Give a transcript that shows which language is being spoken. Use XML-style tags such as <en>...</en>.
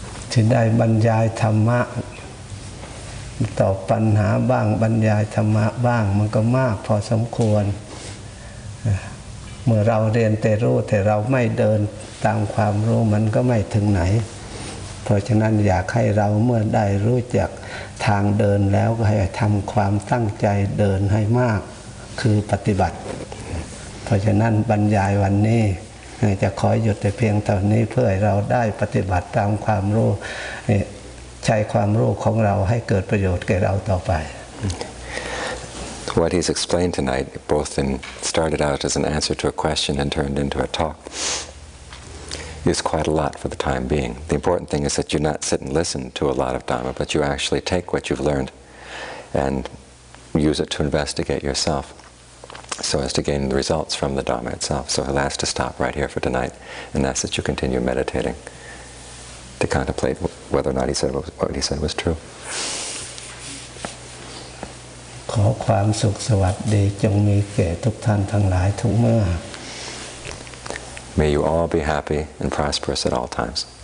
<th>ที่ได้บรรยายธรรมะตอบปัญหาบ้างบรรยายธรรมะบ้างมันก็มากพอสมควรเมื่อเราเรียนแต่รู้แต่เราไม่เดินตามความรู้มันก็ไม่ถึงไหนเพราะฉะนั้นอยากให้เราเมื่อได้รู้จักทางเดินแล้วก็ให้ทำความตั้งใจเดินให้มากคือปฏิบัติ เพราะฉะนั้นบรรยายวันนี้จะขอหยุดแต่เพียงเท่านี้เพื่อให้เราได้ปฏิบัติตามความรู้ใช้ความรู้ของเราให้เกิดประโยชน์แก่เราต่อไป</th> <en>What he's explained tonight both started out as an answer to a question and turned into a talk. Is quite a lot for the time being. The important thing is that you not sit and listen to a lot of Dhamma, but you actually take what you've learned and use it to investigate yourself. so as to gain the results from the Dhamma itself. So he'll ask to stop right here for tonight and ask that you continue meditating to contemplate whether or not he said what he said was true.</en> <th>ขอความสุขสวัสดีจงมีแก่ทุกท่านทั้งหลายทุกเมื่อ</th> <en>May you all be happy and prosperous at all times.</en>